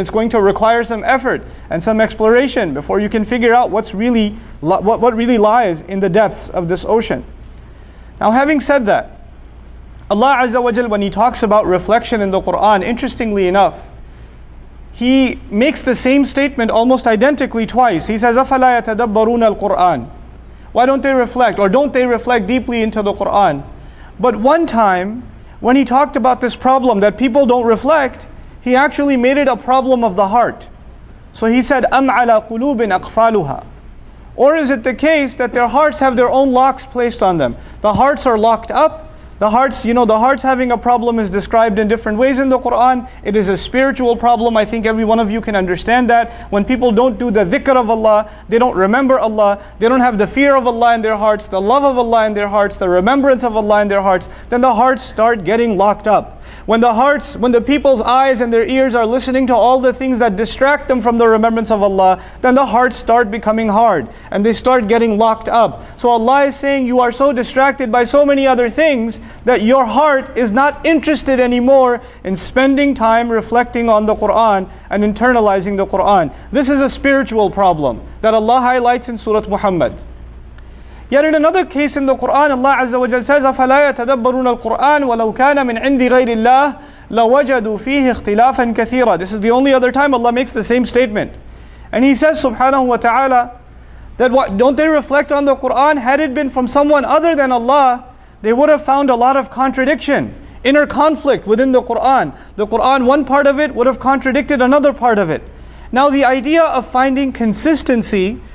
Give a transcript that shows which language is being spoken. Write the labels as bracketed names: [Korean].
[English] It's going to require some effort and some exploration before you can figure out what really lies in the depths of this ocean. Now, having said that, Allah Azza wa Jal, when He talks about reflection in the Qur'an, interestingly enough, He makes the same statement almost identically twice. He says, [Arabic] أَفَلَا يَتَدَبَّرُونَ الْقُرْآنِ. [English] Why don't they reflect? Or don't they reflect deeply into the Qur'an? But one time, when He talked about this problem that people don't reflect, He actually made it a problem of the heart. So He said, [Arabic] أَمْ عَلَى قُلُوبٍ أَقْفَالُهَا. [English] Or is it the case that their hearts have their own locks placed on them? The hearts are locked up. The hearts, the hearts having a problem is described in different ways in the Qur'an. It is a spiritual problem. I think every one of you can understand that. When people don't do the dhikr of Allah, they don't remember Allah, they don't have the fear of Allah in their hearts, the love of Allah in their hearts, the remembrance of Allah in their hearts, then the hearts start getting locked up. When the people's eyes and their ears are listening to all the things that distract them from the remembrance of Allah, then the hearts start becoming hard, and they start getting locked up. So Allah is saying, you are so distracted by so many other things, that your heart is not interested anymore in spending time reflecting on the Qur'an and internalizing the Qur'an. This is a spiritual problem that Allah highlights in Surah Muhammad. Yet in another case in the Qur'an, Allah Azza wa Jal says, [Arabic] أَفَلَا يَتَدَبَّرُونَ الْقُرْآنَ وَلَوْ كَانَ مِنْ عِنْدِ غَيْرِ اللَّهِ لَوَجَدُوا فِيهِ اخْتِلَافًا كَثِيرًا. [English] This is the only other time Allah makes the same statement. And He says, subhanahu wa ta'ala, that don't they reflect on the Qur'an? Had it been from someone other than Allah, they would have found a lot of contradiction, inner conflict within the Qur'an. The Qur'an, one part of it would have contradicted another part of it. Now the idea of finding consistency